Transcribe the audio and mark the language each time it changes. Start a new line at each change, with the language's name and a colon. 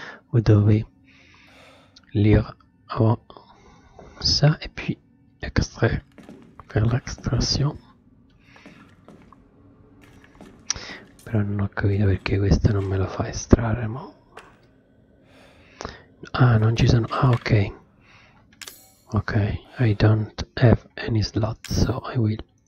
French: Vous devez lire avant ça et puis extraire, faire l'extraction.
Italian: Però non ho capito perché questa non me la fa estrarre, ma... Ah, non ci sono... Ah, ok.
English: Okay, I don't have any slot, so I will.